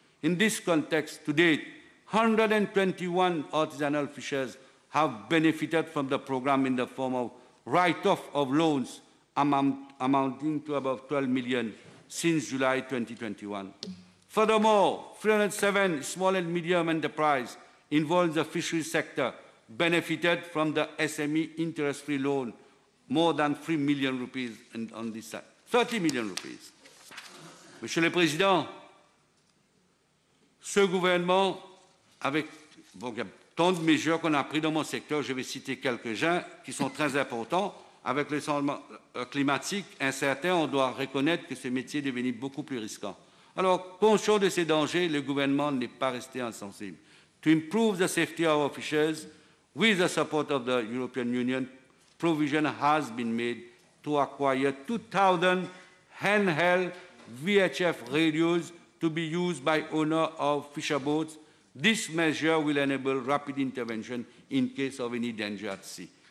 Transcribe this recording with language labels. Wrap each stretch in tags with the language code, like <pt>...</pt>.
<en>In this context, to date, 121 artisanal fishers have benefited from the program in the form of write-off of loans amounting to above 12 million since July 2021. Furthermore, 307 small and medium enterprises involved in the fisheries sector benefited from the SME interest-free loan, more than 3 million rupees on this side, 30 million rupees.</en> <fr>Monsieur le Président, ce gouvernement, avec bon, y a tant de mesures qu'on a prises dans mon secteur, je vais citer quelques uns qui sont très importants. Avec le changement climatique incertain, on doit reconnaître que ce métier est devenu beaucoup plus risquant. Alors, conscient de ces dangers, le gouvernement n'est pas resté insensible.</fr> <en>To improve the safety of our fishers, with the support of the European Union, provision has been made to acquire 2,000 handheld VHF radios to be used by owners of fisher boats. This measure will enable rapid intervention in case of any danger at sea.</en>